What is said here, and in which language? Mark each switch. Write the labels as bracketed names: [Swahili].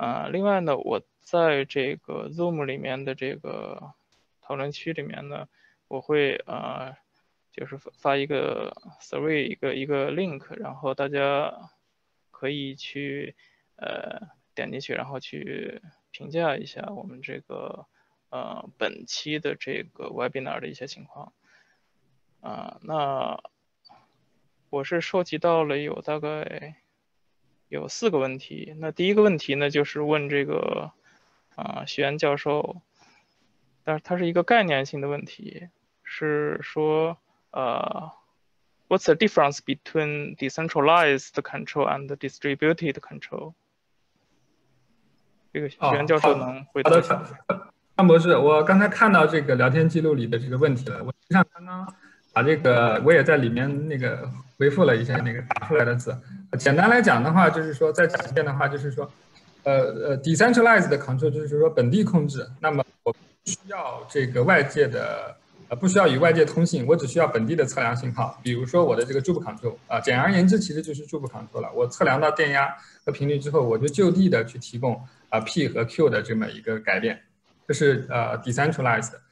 [Chinese] 另外呢，我在这个 Zoom 里面的这个讨论区里面呢，我会就是发一个 survey 一个 link， 然后大家可以去点进去，然后去评价一下我们这个本期的这个 webinar 的一些情况。那我是收集到了有大概有四个问题。那第一个问题呢，就是问这个徐岩教授，但是它是一个概念性的问题。是说 [English] what's the difference between decentralized control and distributed control？ [Chinese] 这个徐岩教授能回答一下。范博士，我刚才看到这个聊天记录里的这个问题了，我实际上刚刚把这个我也在里面那个回复了一下那个打出来的字。简单来讲的话，就是说再讲一遍的话，就是说decentralized control 就是说本地控制，那么我需要这个外界的不需要与外界通信，我只需要本地的测量信号，比如说我的这个 Joule control， 简而言之其实就是 Joule control 了。我测量到电压和频率之后，我就就地的去提供P 和 Q 的这么一个改变，这是decentralized。